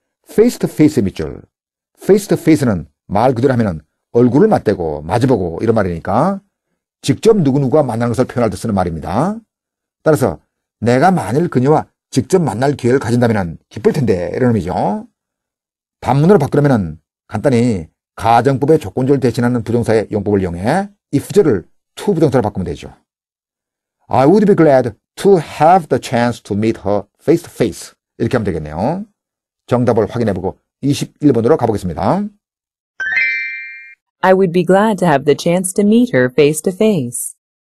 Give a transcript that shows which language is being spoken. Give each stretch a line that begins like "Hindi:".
Korean: face to face의 밑줄 face to face는 말 그대로 하면 얼굴을 맞대고 마주보고 이런 말이니까 직접 누구누구와 만나는 것을 표현할 때 쓰는 말입니다. 따라서 내가 만일 그녀와 직접 만날 기회를 가진다면 기쁠 텐데 이런 의미죠. 반문으로 바꾸려면 간단히 가정법의 조건절 대신하는 부정사의 용법을 이용해 if절을 to 부정사로 바꾸면 되죠.
English: I would be glad to have the chance to meet her face to face.
Korean: 이렇게 하면 되겠네요. 정답을 확인해보고 21번으로 가보겠습니다.
English: I would be glad to have the chance to meet her face to face.